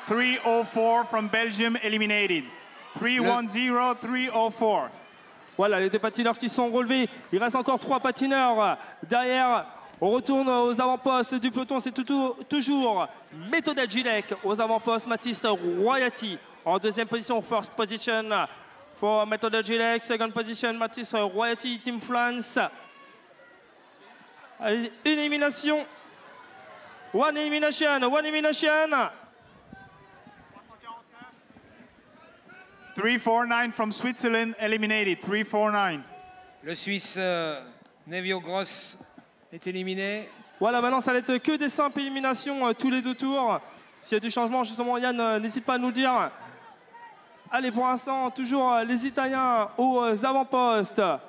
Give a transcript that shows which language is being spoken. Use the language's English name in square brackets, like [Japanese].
[English] 3-0-4 from Belgium, eliminated. 3-1-0, 3-0-4. [French] Voilà, les deux patineurs qui sont relevés. Il reste encore trois patineurs. Derrière, on retourne aux avant-postes du peloton. C'est toujours Metoded Gilek aux avant-postes. Mathis Royati en deuxième position. [English] First position for Metoded Gilek. Second position, Mathis Royati, Team France. [French] Allez, une élimination. [English] One elimination, one elimination. 3-4-9 from Switzerland, eliminated. 3-4-9. [French] Le Suisse Nevio Gross est éliminé. Voilà, maintenant ça va être que des simples éliminations tous les deux tours. S'il y a du changement, justement, Yann, n'hésite pas à nous le dire. Allez, pour l'instant, toujours les Italiens aux avant-postes.